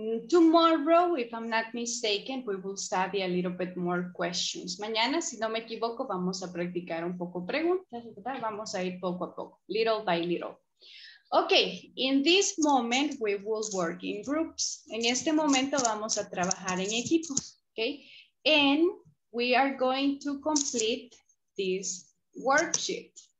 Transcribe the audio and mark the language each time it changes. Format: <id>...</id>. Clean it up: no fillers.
<en>Tomorrow, if I'm not mistaken, we will study a little bit more questions.</en> <es>Mañana, si no me equivoco, vamos a practicar un poco preguntas, ¿verdad? Vamos a ir poco a poco, little by little.</es> <en>Okay, in this moment, we will work in groups.</en> <es>En este momento, vamos a trabajar en equipos, okay?</es> <en>And we are going to complete this worksheet.</en>